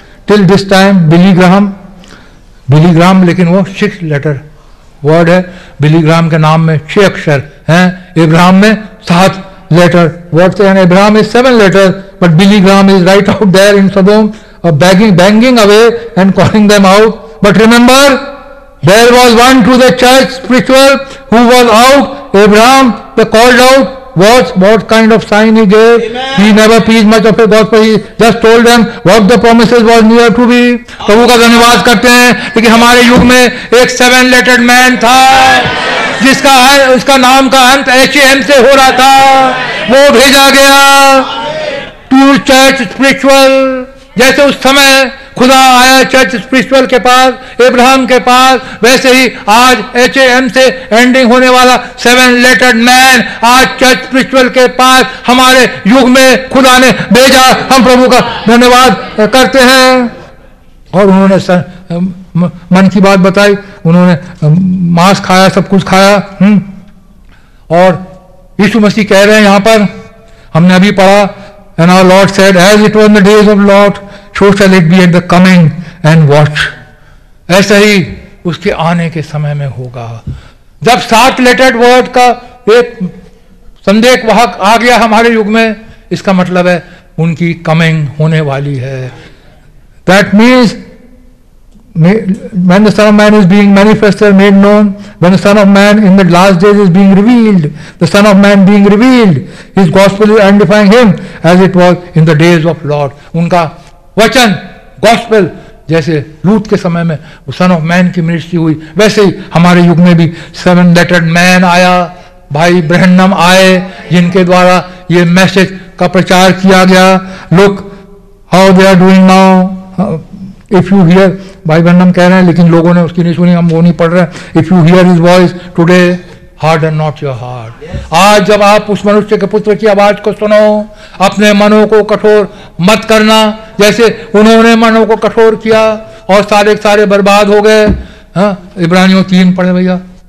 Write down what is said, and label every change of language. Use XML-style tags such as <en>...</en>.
<en>till this time Billy Graham</en> <hi>लेकिन वो</hi> <en>6 letter word है Billy Graham</en> <hi>के नाम में 6 अक्षर हैं इब्राहिम में 7 लेटर वर्ड थे यानी</hi> <en>Ibrahim is 7 letter but Billy Graham is right out there in Sodom begging away and calling them out but remember there was one to the church spiritual who was out Abraham, the called out, what kind of sign he gave. Amen. He never preached much of the gospel. He just told them what the promises was near to be.</en> <hi>प्रभु का धन्यवाद करते हैं क्योंकि हमारे युग में एक seven lettered man था जिसका उसका नाम का अंत HM से हो रहा था. वो भेजा गया टू चर्च स्पिरिचुअल. जैसे उस समय खुदा आया चर्च स्पिरिचुअल के पास अब्राहम के पास, वैसे ही आज HM से एंडिंग होने वाला सेवन लेटर्ड मैन आज चर्च स्पिरिचुअल के पास हमारे युग में खुदा ने भेजा. हम प्रभु का धन्यवाद करते हैं. और उन्होंने मन की बात बताई, उन्होंने मांस खाया, सब कुछ खाया. और यीशु मसीह कह रहे हैं यहां पर, हमने अभी पढ़ा,</hi> <en>And our lord said as it was in the days of Lot so shall it be at the coming and watch.</en> <hi>ऐसा ही उसके आने के समय में होगा. जब सात लेटर्ड वर्ड का एक संदेह वाहक आ गया हमारे युग में, इसका मतलब है उनकी कमिंग होने वाली है.</hi> <en>That means when the Son of Man is being manifested, made known, when the Son of Man in the last days is being revealed, the Son of Man being revealed, His gospel is identifying Him as it was in the days of Lord.</en> <hi>उनका वचन gospel जैसे लूत के समय में वो Son of Man की ministry हुई, वैसे ही हमारे युग में भी seven lettered man आया, भाई ब्रह्मनम आए जिनके द्वारा ये message का प्रचार किया गया.</hi> <en>Look how they are doing now. If you hear,</en> <hi>भाई बहन हम कह रहे हैं लेकिन लोगों ने उसकी नहीं सुनी, हम वो नहीं पढ़ रहे.</hi> <en>If you hear his voice today, harden not your heart.</en> <hi>आज जब आप उस मनुष्य के पुत्र की आवाज को सुनो, अपने मनों को कठोर मत करना जैसे उन्होंने मनों को कठोर किया और सारे सारे बर्बाद हो गए. इब्रानियों 3 पढ़े भैया.</hi>